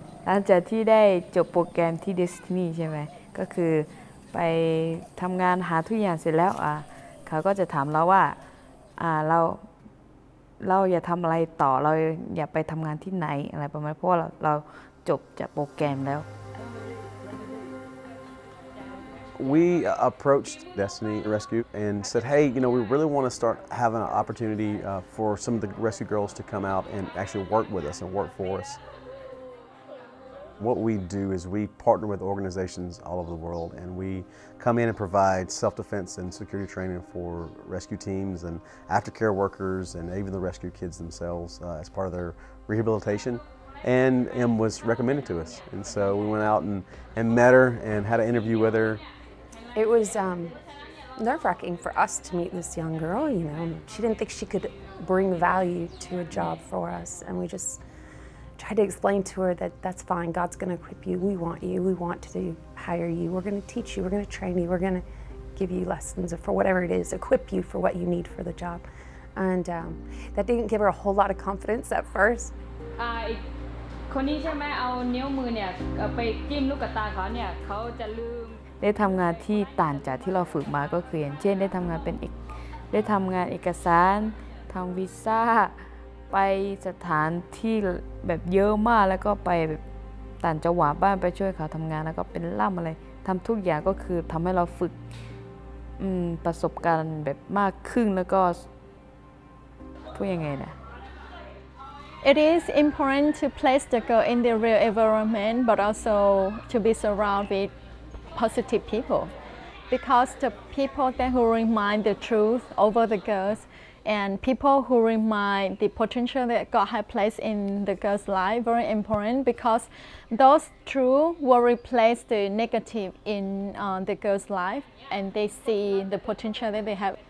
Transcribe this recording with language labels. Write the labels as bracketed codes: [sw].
[th] หลังจากที่ได้จบโปรแกรมที่ Destiny ใช่ไหมก็คือไปทำงานหาทุกอย่างเสร็จแล้วเขาก็จะถามเราว่าเราอย่าทำอะไรต่อเราอย่าไปทำงานที่ไหนอะไรประมาณเพราะเราจบจากโปรแกรมแล้ว [en] We approached Destiny Rescue and said hey you know we really want to start having an opportunity for some of the rescue girls to come out and actually work with us and work for usWhat we do is we partner with organizations all over the world, and we come in and provide self-defense and security training for rescue teams and aftercare workers, and even the rescue kids themselves as part of their rehabilitation. And M was recommended to us, and so we went out and met her and had an interview with her. It was nerve-wracking for us to meet this young girl. You know, she didn't think she could bring value to a job for us, and we just. Try to explain to her that that's fine. God's going to equip you. We want you. We want to hire you. We're going to teach you. We're going to train you. We're going to give you lessons for whatever it is. Equip you for what you need for the job. And that didn't give her a whole lot of confidence at first. [th] คนนี้ใช่ไหมเอานิ้วมือเนี่ยไปจิ้มลูกตาเขาเนี่ยเขาจะลืม ได้ทำงานที่ต่างจากที่เราฝึกมาก็คืออย่างเช่นได้ทำงานเป็นได้ทำงานเอกสารทำวีซ่าไปสถานที่แบบเยอะมากแล้วก็ไปแบบต่างจังหวัดบ้านไปช่วยเขาทำงานแล้วก็เป็นล่ามอะไรทำทุกอย่างก็คือทำให้เราฝึกประสบการณ์แบบมากขึ้นแล้วก็พูดยังไงนะ [en] It is important to place the girl in the real environment but also to be surrounded with positive people because the people that who remind the truth over the girls And people who remind the potential that God had placed in the girl's life, very important, because those truths will replace the negative in the girl's life, and they see the potential that they have.